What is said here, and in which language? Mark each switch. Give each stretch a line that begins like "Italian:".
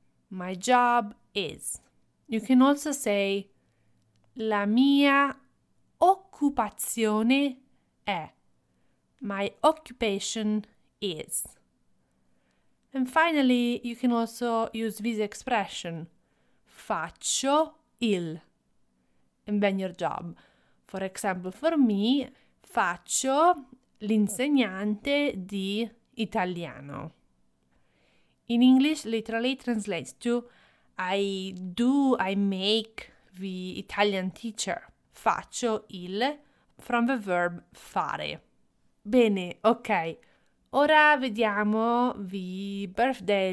English: My job is. You can also say
Italian: la mia occupazione è.
English: My occupation is. And finally, you can also use this expression,
Italian: faccio il.
English: and then your job. For example, for me,
Italian: faccio l'insegnante di italiano.
English: In English, literally translates to I make the Italian teacher. Faccio il from the verb fare.
Italian: Bene, ok. Ora vediamo the birthday.